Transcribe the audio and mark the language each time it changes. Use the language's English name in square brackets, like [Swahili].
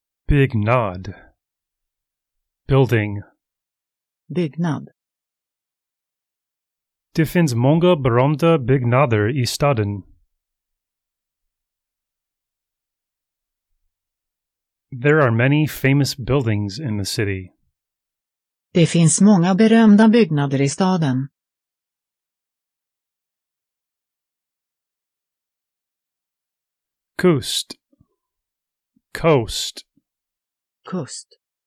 [Swedish] Byggnad. [English] Building. [Swedish] Byggnad. Det finns många berömda byggnader i staden. [English] There are many famous buildings in the city. [Swedish] Det finns många berömda byggnader i staden. Kust. [English] Coast. [Swedish] Kust.